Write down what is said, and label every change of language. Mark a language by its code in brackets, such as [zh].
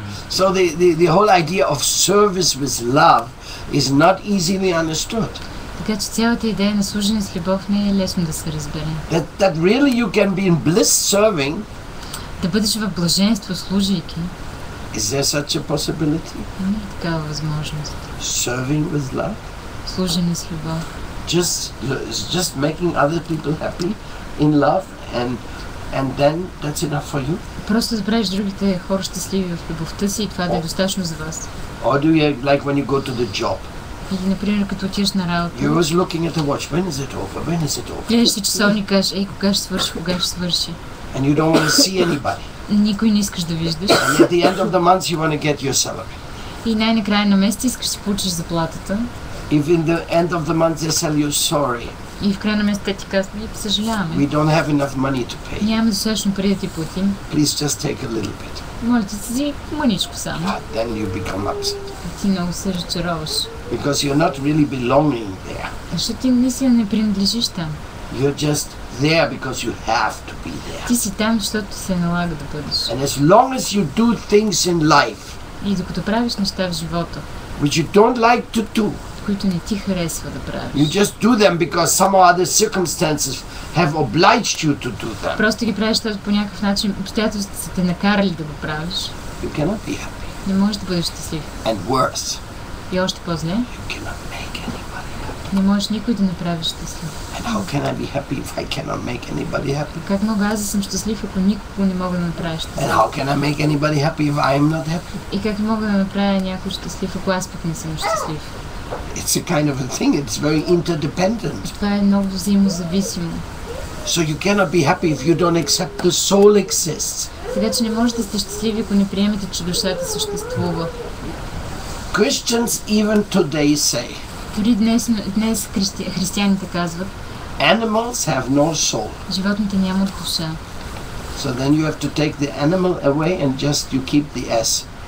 [en] So the whole idea of service with love is not easily understood. [bg] Така че цялата идея на служене с любов не е лесно да се разбере. [en] That really you can be in bliss serving. [bg] Да бъдеш в блаженство служейки. [en] Is there such a possibility? [bg] Не е такава възможност. [en] Serving with love. [bg] Служене с любов. [en] Just making other people happy in love and then that's enough for you. [bg] Просто да правиш другите хора щастливи в любовта си и това да е достатъчно за вас. [en] Or do you like when you go to the job? [bg] Или, например, като отиш на работа. [en] You're always looking at the watch. When is it over? When is it over? [bg] Гледаш си часовника, ей, кога ще свърши, кога ще свърши. [en] And you don't want to see anybody. [bg] Никой не искаш да виждаш. [en] And at the end of the month you want to get your salary. [bg] И най-накрая на месец искаш да получиш заплатата. [en] If in the end of the month they sell you sorry. [bg] И в края на месеца ти казваме, съжаляваме. [en] We don't have enough money to pay. [bg] Няма достатъчно пари да ти платим. [en] Please just take a little bit. [bg] Можете си мъничко само. [en] Then you become upset. [bg] Ти много се разочароваш. [en] Because you're not really belonging there. [bg] Защото ти не си не принадлежиш там. [en] You're just there because you have to be there. [bg] Ти си там, защото се налага да бъдеш. [en] And as long as you do things in life. [bg] И докато правиш неща в живота. [en] Which you don't like to do. [bg] Които не ти харесва да правиш. [en] You just do them because some other circumstances have obliged you to do them. [bg] Просто ги правиш, защото по някакъв начин обстоятелствата са те накарали да го правиш. [en] You cannot be happy. [bg] Не можеш да бъдеш щастлив. [en] And worse. [bg] И още по-зле. [en] You cannot make anybody happy. [bg] Не можеш никой да направиш щастлив. [en] And how can I be happy if I cannot make anybody happy? [bg] Как мога аз да съм щастлив, ако никого не мога да направя щастлив? [en] And how can I make anybody happy if I am not happy? [bg] И как мога да направя някой щастлив, ако аз пък не съм щастлив? [en] It's a kind of a thing, it's very interdependent. [bg] Това е много взаимозависимо. [en] So you cannot be happy if you don't accept the soul exists. [bg] Сега, че не можете да сте щастливи, ако не приемете, че душата съществува. [en] Christians even today say. [bg] Дори днес християните казват. [en] Animals have no soul. [bg] Животните нямат душа. [en] So then you have to take the animal away and just you keep the S.